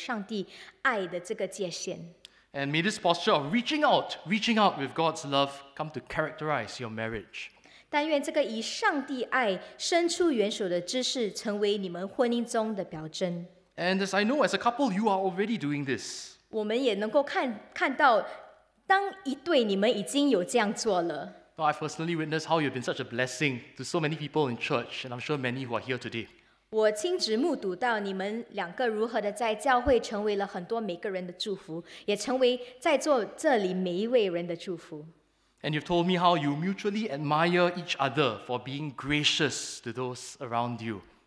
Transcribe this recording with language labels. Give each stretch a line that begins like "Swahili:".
Chinese: 当我们向他人伸出我们的手的时候，我们就这样的扩展了上帝爱的这个界限。
English: And may this posture of reaching out with God's love, come to characterize your marriage.
Chinese: 但愿这个以上帝爱伸出援手的姿势成为你们婚姻中的表征。
English: And as I know, as a couple, you are already doing this.
Chinese: 我们也能够看到。当一对你们已经有这样做了,
English: I've personally witnessed how you've been such a blessing to so many people in church, and I'm sure many who are here today.
Chinese: 我亲自目睹到你们两个如何的在教会成为了很多每个人的祝福, 也成为在座这里每一位人的祝福。
English: And you've told me how you mutually admire each other for being gracious to those around you.